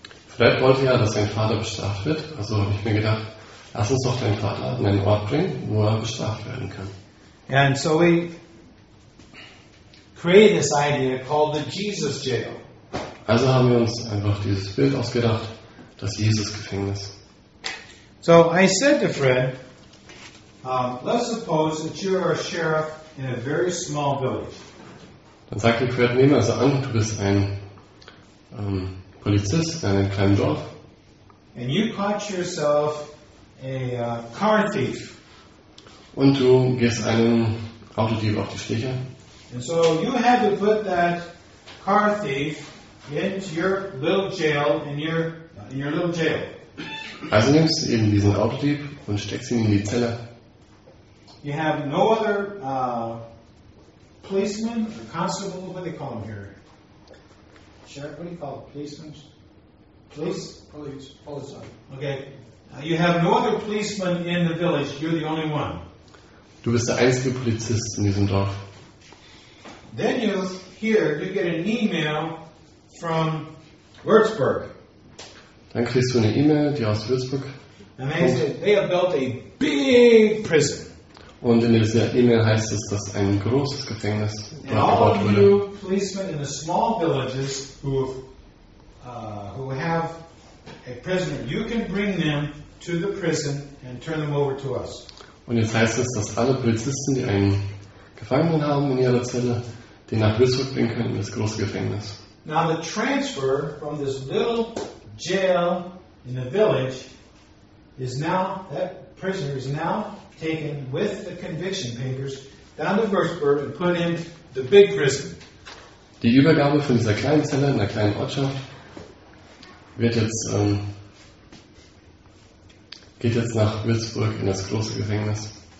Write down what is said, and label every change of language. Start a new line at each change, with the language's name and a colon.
German: Fred wollte ja, dass sein Vater bestraft wird, also habe ich mir gedacht, lass uns doch deinen Vater an einen Ort bringen, wo er bestraft werden kann.
English: And so we created this idea called the Jesus Jail.
German: Also haben wir uns einfach dieses Bild ausgedacht, das Jesus-Gefängnis.
English: So I said to Fred, let's suppose that you are a sheriff in a very small village.
German: Dann sagte Fred, nehmen wir also an, du bist ein Polizist in einem kleinen Dorf.
English: And you caught yourself a car thief.
German: Und du gehst einem Autodieb auf die Schliche.
English: And so you had to put that car thief into your little jail in your little jail.
German: Also nimmst du eben diesen Autodieb und steckst ihn in die Zelle.
English: You have no other policeman or constable. What do they call them here? Sheriff. What do you call them? Policemen. Police. Okay. You have no other policeman in the village. You're the only one.
German: Du bist der einzige Polizist in diesem Dorf.
English: Then you hear, you get an email from Würzburg.
German: Dann kriegst du eine E-Mail, die aus Würzburg.
English: And they say they have built a big prison.
German: Und in dieser E-Mail heißt es, dass ein großes Gefängnis gebaut wurde.
English: And all of you policemen in the small villages who have a prisoner, you can bring them to the prison and turn them over to us.
German: Und jetzt heißt es, dass alle Polizisten, die einen Gefangenen haben in ihrer Zelle, den nach Würzburg bringen können in das große Gefängnis.
English: Now the transfer from this little jail in the village is now, that prisoner is now taken with the conviction papers down to Würzburg and put in the big prison.
German: Die Übergabe von dieser kleinen Zelle in der kleinen Ortschaft wird jetzt geht jetzt nach Würzburg in das große Gefängnis.